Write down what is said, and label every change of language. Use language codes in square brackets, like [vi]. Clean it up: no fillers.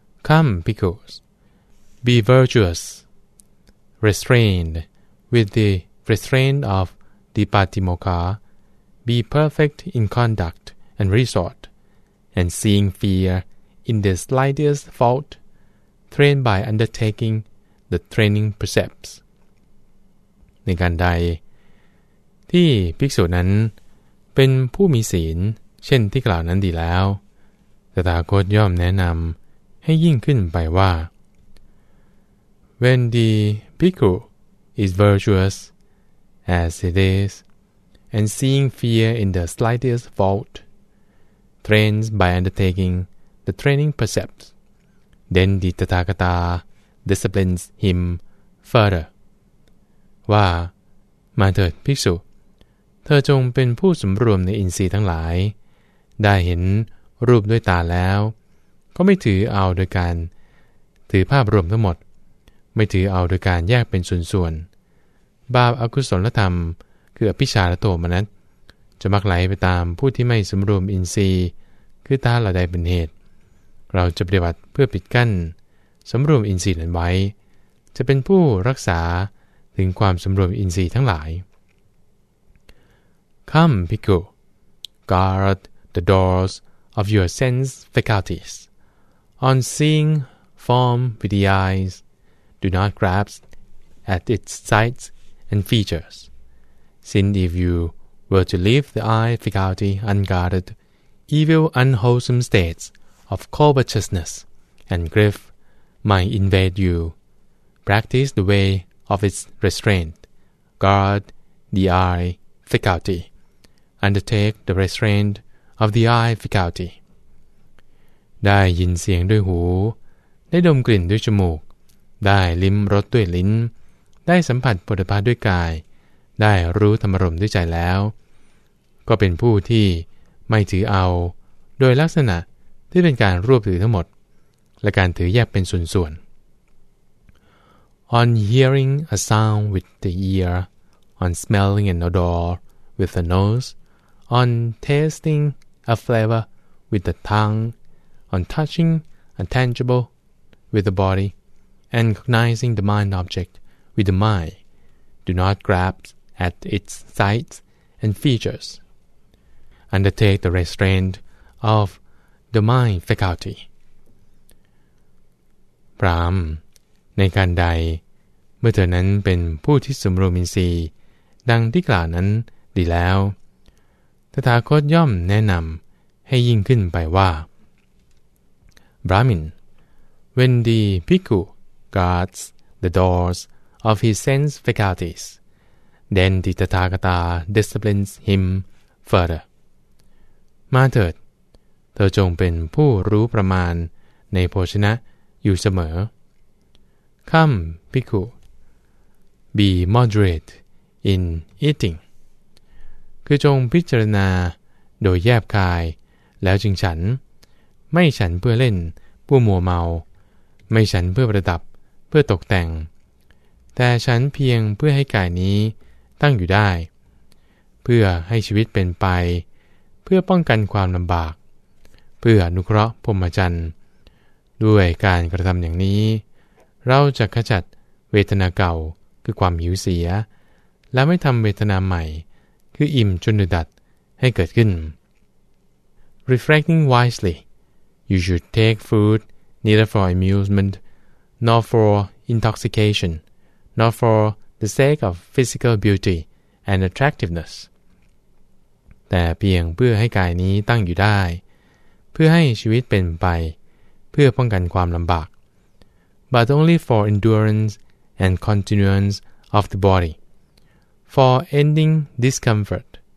[en] Come, bhikkhus, be virtuous, restrained with the restraint of dipatimokkha, be perfect in conduct and resort, and seeing fear in the slightest fault, train by undertaking the training precepts. [th] ในการใดที่ภิกษุนั้นเป็นผู้มีศีลเช่นที่กล่าวนั้นดีแล้วตถาคตย่อมแนะนำให้ยิ่งขึ้นไปว่า [en] When the bhikkhu is virtuous as it is and seeing fear in the slightest fault trains by undertaking the training precepts then the tathagata disciplines him further. [th] ว่ามาเถิดภิกษุเธอจงเป็นผู้สำรวมในอินทรีย์ทั้งหลายได้เห็นรูปด้วยตาแล้วก็ไม่ถือเอาโดยการ ถือภาพรวมทั้งหมดไม่ถือเอาโดยการแยกเป็นส่วนๆบาปอกุศลธรรมคืออภิชฌาและโทมนัสจะมักไหลไปตามผู้ที่ไม่สำรวมอินทรีย์คือตาเหล่าใดเป็นเหตุเราจะปฏิบัติเพื่อปิดกั้นสำรวมอินทรีย์นั้นไว้จะเป็นผู้รักษาถึงความสำรวมอินทรีย์ทั้งหลาย [en] Come, bhikkhu, guard the doors of your sense faculties. On seeing form with the eyes, do not grasp at its sights and features. Since if you were to leave the eye faculty unguarded, evil unwholesome states of covetousness and grief might invade you. Practice the wayOf its restraint, guard the eye faculty. Undertake the restraint of the eye faculty. [th] ได้ยินเสียงด้วยหูได้ดมกลิ่นด้วยจมูกได้ลิ้มรสด้วยลิ้นได้สัมผัสปฏิภาณด้วยกายได้รู้ธรรมรมด้วยใจแล้วก็เป็นผู้ที่ไม่ถือเอาโดยลักษณะที่เป็นการรวบถือทั้งหมดและการถือแยกเป็นส่วนๆ [en] On hearing a sound with the ear, on smelling an odor with the nose, on tasting a flavor with the tongue, on touching a tangible with the body, and cognizing the mind object with the mind, do not grasp at its sights and features. Undertake the restraint of the mind faculty. [th] Brahm, ในการใดเมื่อเธอนั้นเป็นผู้ที่สำรวมอินทรีย์ดังที่กล่าวนั้นดีแล้วตถาคตย่อมแนะนำให้ยิ่งขึ้นไปว่า [en] Brahmin, when the bhikkhu guards the doors of his sense faculties, then the tathagata disciplines him further. [th] มาเถิดเธอจงเป็นผู้รู้ประมาณในโภชนะอยู่เสม [en] อ Come, bhikkhuBe moderate in eating. [th] คือจงพิจารณาโดยแยบคายแล้วจึงฉันไม่ฉันเพื่อเล่นผู้มัวเมาไม่ฉันเพื่อประดับเพื่อตกแต่งแต่ฉันเพียงเพื่อให้กายนี้ตั้งอยู่ได้ เพื่อให้ชีวิตเป็นไปเพื่อป้องกันความลำบากเพื่ออนุเคราะห์พรหมจรรย์ด้วยการกระทำอย่างนี้เราจะขจัดเวทนาเก่าคือความหิวเสียและไม่ทำเวทนาใหม่คืออิ่มจนดัดให้เกิดขึ้น [en] Reflecting wisely, you should take food neither for amusement nor for intoxication nor for the sake of physical beauty and attractiveness. [th] แต่เพียงเพื่อให้กายนี้ตั้งอยู่ได้เพื่อให้ชีวิตเป็นไปเพื่อป้องกันความลำบาก [en] But only for endurance. And continuance of the body for ending discomfort